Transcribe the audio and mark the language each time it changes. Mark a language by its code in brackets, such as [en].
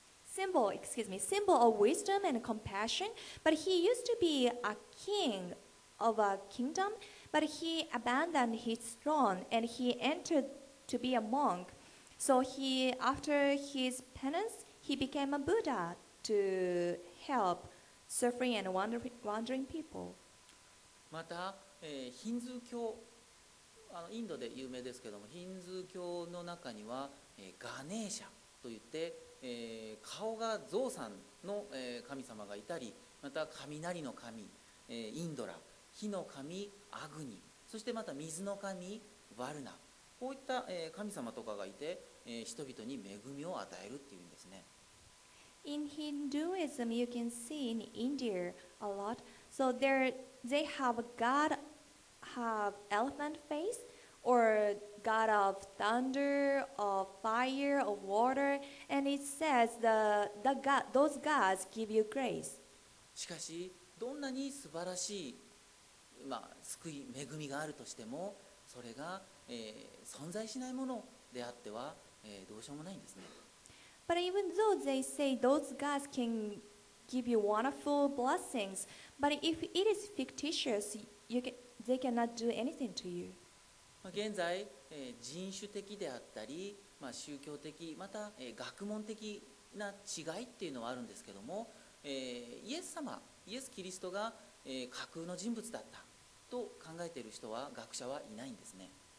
[en] symbol of wisdom and compassion, but he used to be a king of a kingdom, but he abandoned his throne and he entered to be a monk. So he, after his penance, he became a Buddha to help suffering and wandering people. [ja] また、ヒンズー教、インドで有名ですけども、ヒンズー教の中には、ガネーシャといって、顔が象さんの、神様がいたり、また雷の神、インドラ、火の神アグニ、そしてまた水の神ワルナ、こういった、神様とかがいて、人々に恵みを与えるっていうんですね。 [en] In Hinduism, you can see in India a lot. So there, they have God have elephant face. Or God of thunder, of fire, of water, and it says the God, those gods give you grace. [ja] しかし、どんなに素晴らしい、まあ、救い、恵みがあるとしても、それが、存在しないものであっては、どうしようもないんですね。 [en] But even though they say those gods can give you wonderful blessings, but if it is fictitious, they cannot do anything to you. [ja] 現在、人種的であったり、まあ、宗教的、また、学問的な違いっていうのはあるんですけども、イエス様、イエス・キリストが、架空の人物だったと考えている人は、学者はいないんですね。